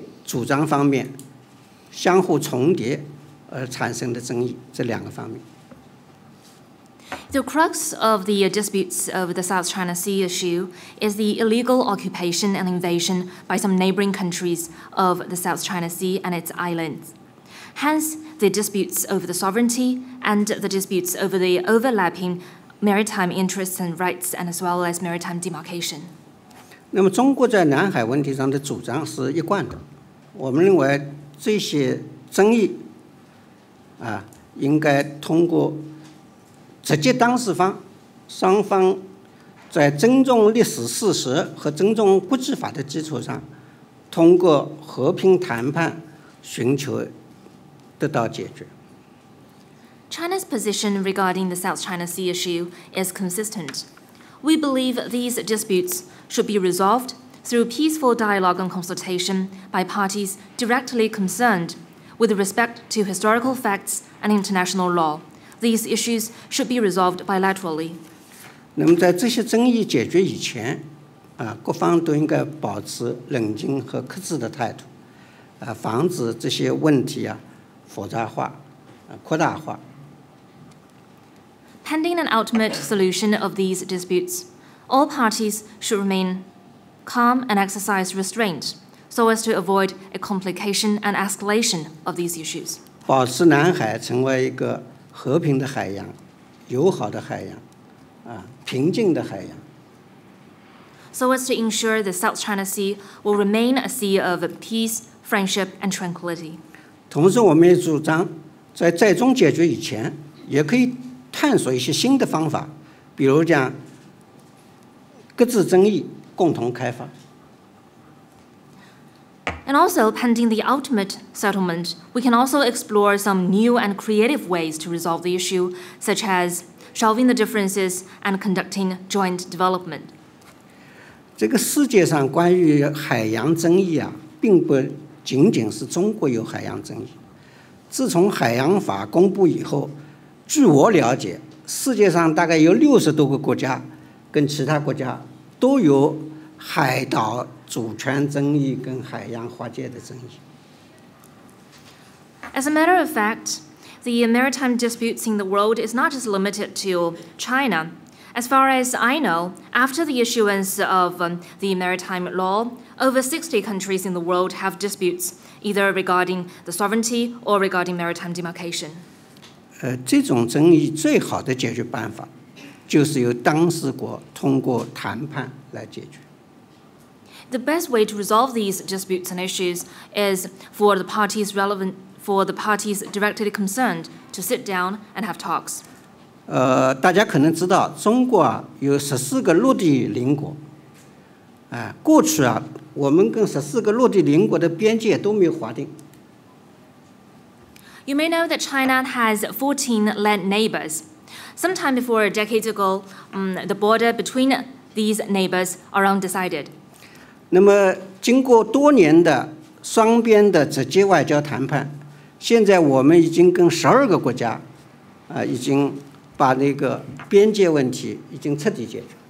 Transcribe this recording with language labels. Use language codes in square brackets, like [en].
[zh] 同时呢，中国一贯主张关于南海的争议，这个南海的争议，这关键问题就是，周边一些国家非法的侵占了中国的南海的一些岛屿，引起的关于岛屿的主权争议，以及海洋划界主张方面相互重叠。 [en] The crux of the disputes over the South China Sea issue is the illegal occupation and invasion by some neighboring countries of the South China Sea and its islands. Hence, the disputes over the sovereignty and the disputes over the overlapping maritime interests and rights and as well as maritime demarcation. [zh] 那么中国在南海问题上的主张是一贯的，我们认为这些争议 应该通过直接当事方，双方在尊重历史事实和尊重国际法的基础上，通过和平谈判寻求得到解决。 [en] China's position regarding the South China Sea issue is consistent. We believe these disputes should be resolved through peaceful dialogue and consultation by parties directly concerned with respect to historical facts and international law. These issues should be resolved bilaterally. [zh] 那么在这些争议解决以前，各方都应该保持冷静和克制的态度，防止这些问题复杂化，扩大化。 [en] Pending an ultimate solution of these disputes, all parties should remain calm and exercise restraint so as to avoid a complication and escalation of these issues. [zh] 保持南海成为一个和平的海洋，友好的海洋，平静的海洋。 [en] So as to ensure the South China Sea will remain a sea of peace, friendship, and tranquility. [zh] 同时我们也主张在最终解决以前也可以探索一些新的方法，比如讲各自争议共同开发。 [en] And also, pending the ultimate settlement, we can also explore some new and creative ways to resolve the issue, such as shelving the differences and conducting joint development. [zh] 这个世界上关于海洋争议并不仅仅是中国有海洋争议。自从海洋法公布以后，据我了解，世界上大概有60多个国家跟其他国家都有海岛主权争议跟海洋划界的争议。 [en] As a matter of fact, the maritime disputes in the world is not just limited to China. As far as I know, after the issuance of the maritime law, over 60 countries in the world have disputes, either regarding the sovereignty or regarding maritime demarcation. [zh] 这种争议最好的解决办法就是由当事国通过谈判来解决。 [en] The best way to resolve these disputes and issues is for the parties relevant, for the parties directly concerned to sit down and have talks. [zh] 大家可能知道中国有14个陆地邻国。过去我们跟14个陆地邻国的边界都没有划定。 [en] You may know that China has 14 land neighbors. Sometime before decades ago, the border between these neighbors are undecided. [zh] 那么经过多年的双边的直接外交谈判，现在我们已经跟12个国家，已经把那个边界问题已经彻底解决。